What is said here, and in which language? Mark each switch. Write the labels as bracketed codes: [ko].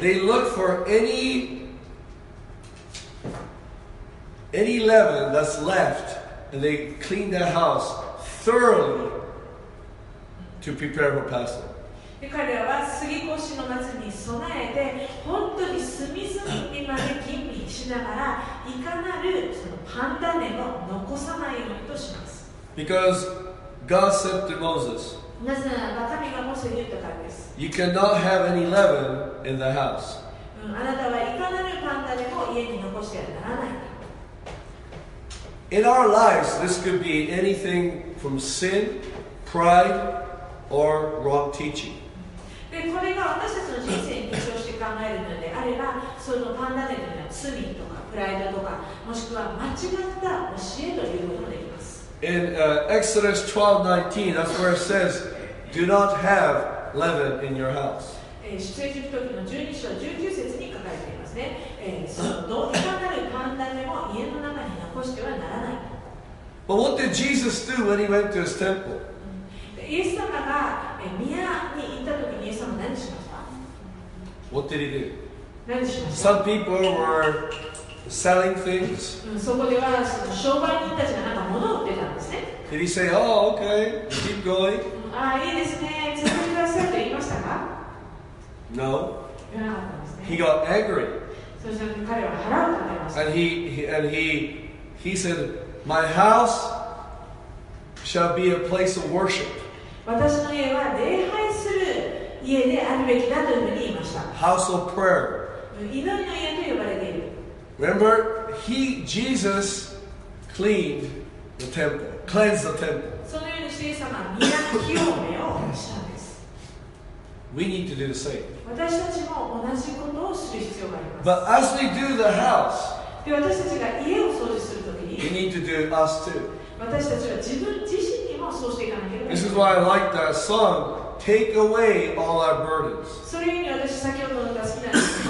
[en] They look for any leaven that's left and they clean their house thoroughly to prepare for Passover. [ja] 彼らは過ぎ越しの夏に備えて本当に隅々にまで吟味しながらいかなるそのパン種も残さないようにとします。 [en] Because God said to Moses, [ja] なぜならば神がモーセに言ったからです。 [en] You cannot have any leaven in the house、 [ja] あなたはいかなるパン種も家に残してはならない。 [en] In our lives this could be anything from sin, pride or wrong teaching. [ja] でこれが私たちの人生に通して考えるのであれば、そのパンダネの罪とかプライドとか、もしくは間違った教えということもできます。 [en] In Exodus 12:19, that's where it says, "Do not have leaven in your house." [ja] 出エジプト記の12章19節に書かれていますね。そのどいかなるパンダネも家の中に残してはならない。 [en] But what did Jesus do when he went to his temple? [ja] イエス様が宮に行ったときにイエス様は何しました [en] ？What did he do? [ja] 何しました [en] ？Some people were selling things. [ja] そこでは商売人たちがなんか物を売ってたんですね。 [en] Did he say, oh, okay, keep going? [ja] ああ、いいですね。続けてくださいと言いましたか [en] ？No. [ja] 言わなかったんですね。 [en] He got angry. [ja] そして彼は腹を立てました。 [en] And he said, my house shall be a place of worship. [ja] 私の家は礼拝する家であるべきだというふうに言いました。 [en] House of prayer. [ja] 祈りの家と呼ばれている。 [en] Remember, he, Jesus, cleaned the temple, cleansed the temple. [ja] そのようにして、イエス様は宮清めをしたんです。 [en] We need to do the same. [ja] 私たちも同じことをする必要があります。 [en] But as we do the house, [ja] で私たちが家を掃除するときに、 [en] we need to do us too. [ja] 私たちは自分自身にもそうしていかなければ。 [en] This is why I like that song, Take Away All Our Burdens. [ja] それに私先ほどの歌好きなんです。